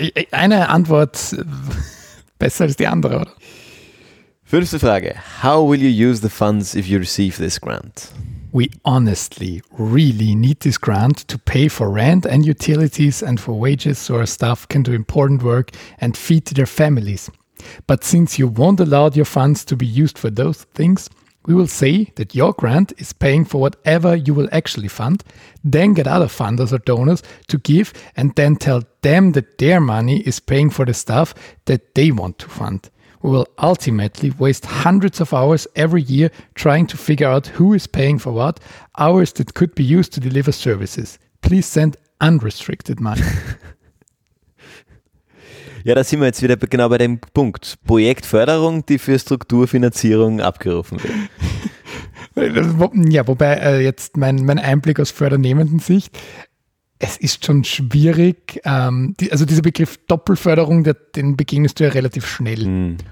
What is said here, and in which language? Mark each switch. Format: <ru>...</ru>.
<de>Eine Antwort besser als die andere, oder? Fünfte Frage.</de> <en>How will you use the funds if you receive this grant? We honestly really need this grant to pay for rent and utilities and for wages so our staff can do important work and feed their families. But since you won't allow your funds to be used for those things, we will say that your grant is paying for whatever you will actually fund, then get other funders or donors to give, and then tell them that their money is paying for the stuff that they want to fund. We will ultimately waste hundreds of hours every year trying to figure out who is paying for what, hours that could be used to deliver services. Please send unrestricted money.</en> <de>Ja, da sind wir jetzt wieder genau bei dem Punkt. Projektförderung, die für Strukturfinanzierung abgerufen wird. Ja, wobei jetzt mein Einblick aus fördernehmenden Sicht, es ist schon schwierig, also dieser Begriff Doppelförderung, den begegnest du ja relativ schnell. Mhm.</de>